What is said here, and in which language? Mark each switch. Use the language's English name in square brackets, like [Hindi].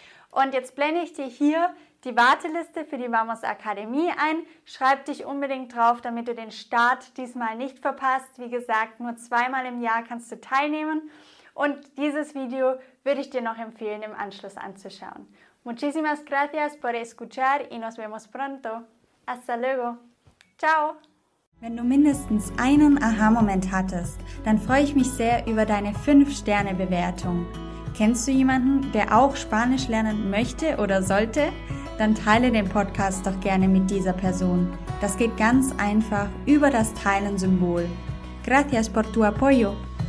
[German] Und jetzt blende ich dir hier die Warteliste für die Vamos Akademie ein. Schreib dich unbedingt drauf, damit du den Start diesmal nicht verpasst. Wie gesagt, nur zweimal im Jahr kannst du teilnehmen. Und dieses Video würde ich dir noch empfehlen, im Anschluss anzuschauen. [Spanish] Muchísimas gracias por escuchar y nos vemos pronto. Hasta luego. Ciao. [German] Wenn du mindestens einen Aha-Moment hattest, dann freue ich mich sehr über deine 5-Sterne-Bewertung. Kennst du jemanden, der auch Spanisch lernen möchte oder sollte? Dann teile den Podcast doch gerne mit dieser Person. Das geht ganz einfach über das Teilen-Symbol. [Spanish] Gracias por tu apoyo.